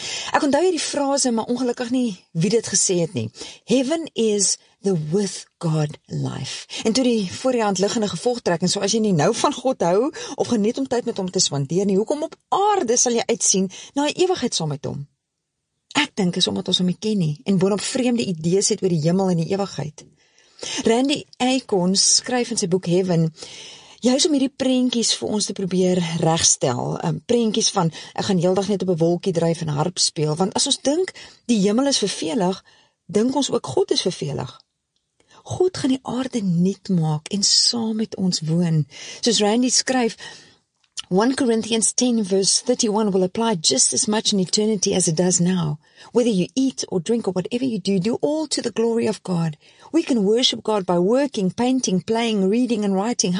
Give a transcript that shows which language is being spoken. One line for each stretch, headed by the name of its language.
Afrikaans: Ek onthou hierdie frase, maar ongelukkig nie wie dit gesê het nie.
English: Heaven is the with God life.
Afrikaans: En toe die voor die hand liggende gevolgtrekking, so as jy nie nou van God hou, of geniet om tyd met hom te spandeer nie, hoekom op aarde sal jy uitsien na die ewigheid saam met hom? Ek dink is omdat ons hom nie ken nie, en boonop vreemde idees het oor die hemel en die ewigheid. Randy Acorn skryf in sy boek Heaven, juist om hierdie prentjies vir ons te probeer regstel, prentjies van, ek gaan heeldag net op 'n wolkie dryf en harp speel, want as ons dink die hemel is vervelig, dink ons ook God is vervelig. God gaan die aarde nuut maak en saam met ons woon. Soos Randy skryf,
English: 1 Corinthians 10 verse 31 will apply just as much in eternity as it does now. Whether you eat or drink or whatever you do, do all to the glory of God. We can worship God by working, painting, playing, reading and writing.